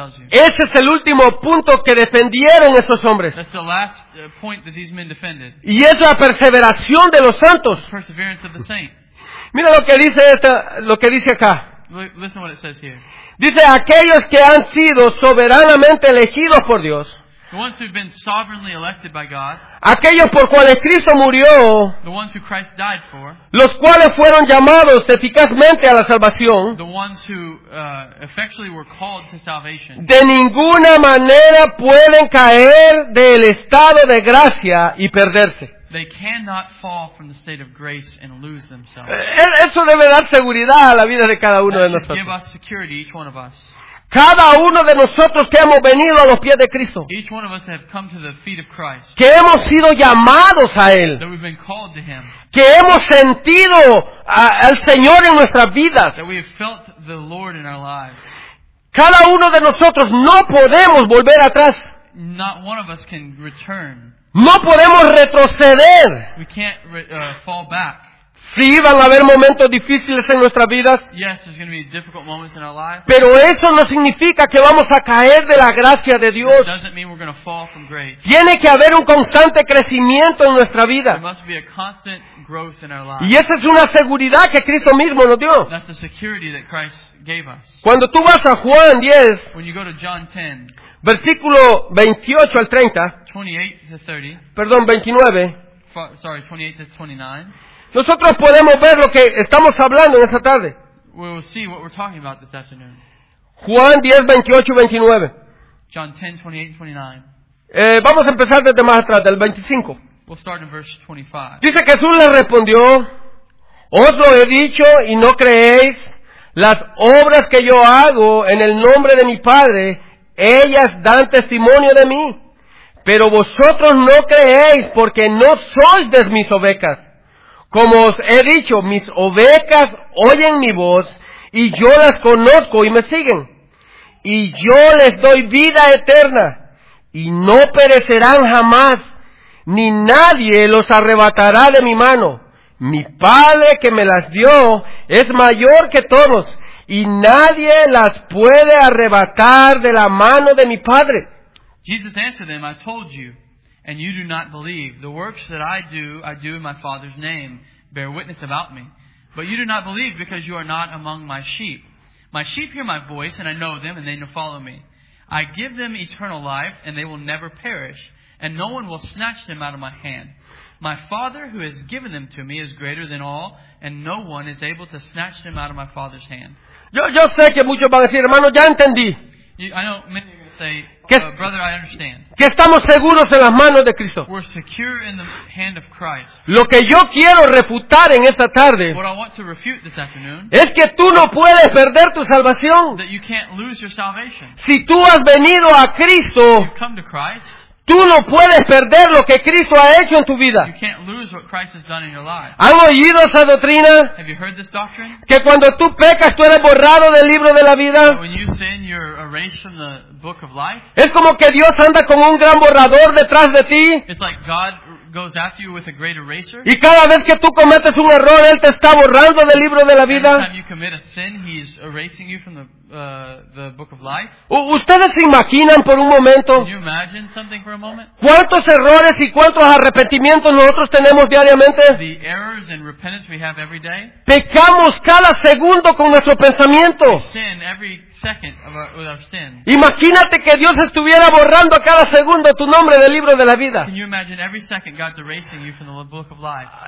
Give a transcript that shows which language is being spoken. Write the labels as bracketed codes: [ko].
[es] Ese es el último punto que defendieron esos hombres. [en] That's the last point that these men defended. [es] Y es la perseveración de los santos. [en] The perseverance of the saints. [es] Mira lo que dice esta, lo que dice acá. [en] Listen what it says here. [es] Dice, aquellos que han sido soberanamente elegidos por Dios. [en] The ones who've been sovereignly elected by God. [es] Aquellos por cuales Cristo murió. [en] The ones who Christ died for. [es] Los cuales fueron llamados eficazmente a la salvación. [en] The ones who effectually were called to salvation. [es] De ninguna manera pueden caer del estado de gracia y perderse. [en] They cannot fall from the state of grace and lose themselves. [es] Eso debe dar seguridad a la vida de cada uno de nosotros. [en] Give us security, each one of us. [es] Cada uno de nosotros que hemos venido a los pies de Cristo. [en] Each one of us have come to the feet of Christ. [es] Que hemos sido llamados a Él. [en] That we've been called to Him. [es] Que hemos sentido al Señor en nuestras vidas. [en] That we have felt the Lord in our lives. [es] Cada uno de nosotros no podemos volver atrás. [en] Not one of us can return. [es] No podemos retroceder. [en] We can't fall back. [es] Sí, van a haber momentos difíciles en nuestras vidas. [en] Yes, there's going to be difficult moments in our lives. [es] Pero eso no significa que vamos a caer de la gracia de Dios. [en] That doesn't mean we're going to fall from grace. [es] Tiene que haber un constante crecimiento en nuestra vida. [en] There must be a constant growth in our lives. [es] Y esa es una seguridad que Cristo mismo nos dio. [en] That's the security that Christ gave us. [es] Cuando tú vas a Juan 10, [en] when you go to John 10, [es] versículo 28 al 30, [en] 28-30, [es] perdón, 29, [en] sorry, 28-29, [es] nosotros podemos ver lo que estamos hablando en esta tarde. [en] We'll see what we're talking about this afternoon. [es] Juan 10:28-29. [en] John 10:28-29. [es] Vamos a empezar desde más atrás, del 25. [en] We'll start in verse 25. [es] Dice que Jesús le respondió, os lo he dicho y no creéis, las obras que yo hago en el nombre de mi Padre, ellas dan testimonio de mí, pero vosotros no creéis porque no sois de mis ovejas. Como os he dicho, mis ovejas oyen mi voz, y yo las conozco y me siguen. Y yo les doy vida eterna, y no perecerán jamás, ni nadie los arrebatará de mi mano. Mi Padre que me las dio es mayor que todos, y nadie las puede arrebatar de la mano de mi Padre. [en] Jesus answered them, I told you. And you do not believe. The works that I do in my Father's name, bear witness about me. But you do not believe because you are not among my sheep. My sheep hear my voice, and I know them, and they follow me. I give them eternal life, and they will never perish, and no one will snatch them out of my hand. My Father who has given them to me is greater than all, and no one is able to snatch them out of my Father's hand. [es] Yo sé que muchos van a decir, hermano, ya entendí. [en] I know many say, brother, I understand. [es] Que estamos seguros en las manos de Cristo. [en] We're secure in the hand of Christ. [es] Lo que yo quiero refutar en esta tarde, [en] what I want to refute this afternoon, [es] es que tú no puedes perder tu salvación. [en] That you can't lose your salvation. [es] Si tú has venido a Cristo, [en] you've come to Christ, [es] tú no puedes perder lo que Cristo ha hecho en tu vida. [en] You can't lose what Christ has done in your life. [es] ¿Han oído esa doctrina? [en] Have you heard this doctrine? [es] Que cuando tú pecas, tú eres borrado del libro de la vida. [en] When you sin, you're erased from the book of life. [es] Es como que Dios anda con un gran borrador detrás de ti. [en] It's like God goes after you with a great eraser. [es] Y cada vez que tú cometes un error, Él te está borrando del libro de la vida. [en] Every time you commit a sin, He's erasing you from the book of life. [es] ¿Ustedes se imaginan por un momento? [en] Can you imagine something for a moment? [es] ¿Cuántos errores y cuántos arrepentimientos nosotros tenemos diariamente? [en] The errors and repentance we have every day. [es] Pecamos cada segundo con nuestro pensamiento. [en] We sin every second with our sin. [es] Imagínate que Dios estuviera borrando a cada segundo tu nombre del libro de la vida. [en] Can you imagine every second God's erasing you from the book of life?